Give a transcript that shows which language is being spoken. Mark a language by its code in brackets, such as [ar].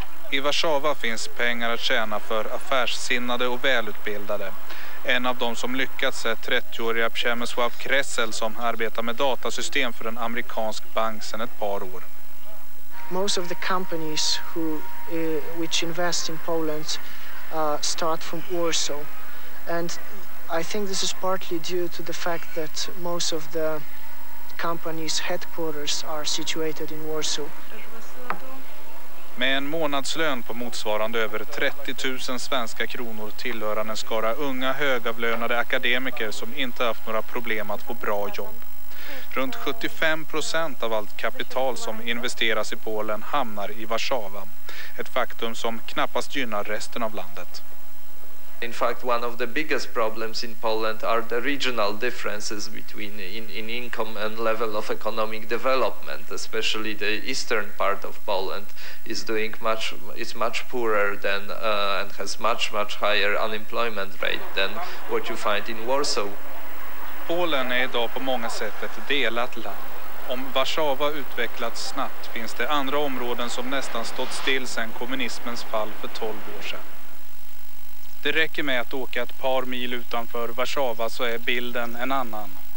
[sv] I Warszawa finns pengar att tjäna för affärssinnade och välutbildade. En av dem som lyckats är 30-åriga Przemysław Kressel som arbetar med datasystem för en amerikansk bank sedan ett par år. [en] Most of the companies which invest in Poland start from Warsaw, and I think this is partly due to the fact that most of the company's headquarters are situated in Warsaw. [sv] Med en månadslön på motsvarande över 30 000 svenska kronor tillhör en skara unga högavlönade akademiker som inte haft några problem att få bra jobb. Runt 75% av allt kapital som investeras i Polen hamnar i Warszawa. Ett faktum som knappast gynnar resten av landet. [en] In fact, one of the biggest problems in Poland are the regional differences between in income and level of economic development. Especially the eastern part of Poland is much poorer than and has much higher unemployment rate than what you find in Warsaw. [sv] Polen är idag på många sätt ett delat land. Om Warszawa utvecklats snabbt finns det andra områden som nästan stått still sedan kommunismens fall för 12 år sedan. Det räcker med att åka ett par mil utanför Warszawa så är bilden en annan.